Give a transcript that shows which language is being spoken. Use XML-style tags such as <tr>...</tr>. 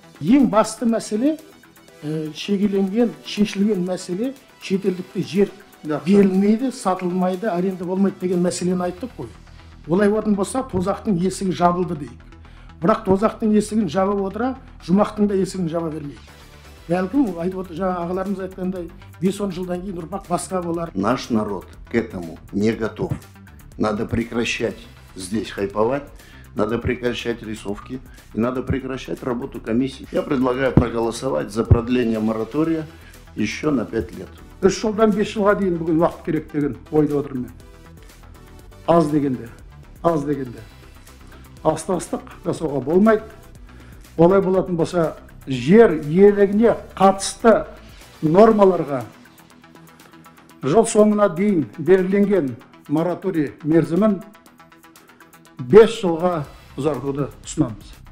<kk>Ең басты мәселе шегеленген, шешілген мәселе шетелдікті жер берілмейді, сатылмайды, аренда болмайды деген мәселені айттық қой. Олай болатын болса, тозақтың есігі жабылды дейік. Бірақ тозақтың есігін жабып отыра, жұмақтың да есігін жаба бермейді. Бәлкім, ағаларымыз айтқандай, 5-10 жылдан кейін ұрпақ басқа болар.</kk> <ru>Наш народ к этому не готов. Надо прекращать здесь хайповать. Надо прекращать рисовки и надо прекращать работу комиссии. Я предлагаю проголосовать за продление моратория еще на 5 лет.</ru> <kk>Біз жолдан 5 жылға дейін бүгін уақыт керек деген ойды отырмын мен. Аз дегенде. Астастық жасауға болмайды. Олай болатын болса, жер иелігіне қатысты нормаларға жыл соңына дейін белгіленген мораторий мерзімін 5 жылға ұзартуды ұсынамыз.</kk>